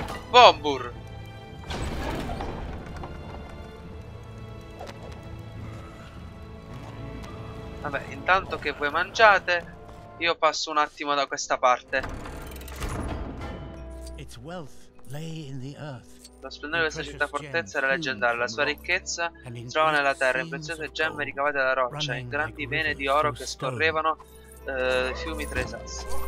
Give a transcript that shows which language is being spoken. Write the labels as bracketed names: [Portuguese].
[Italian] Bombur! Vabbè, intanto che voi mangiate, io passo un attimo da questa parte. [English] Its wealth lay in the earth. [Italian] Lo splendore di questa città fortezza era leggendario, la sua ricchezza si trova nella terra, in preziose gemme ricavate dalla roccia, in grandi vene di oro che scorrevano fiumi tra i sassi.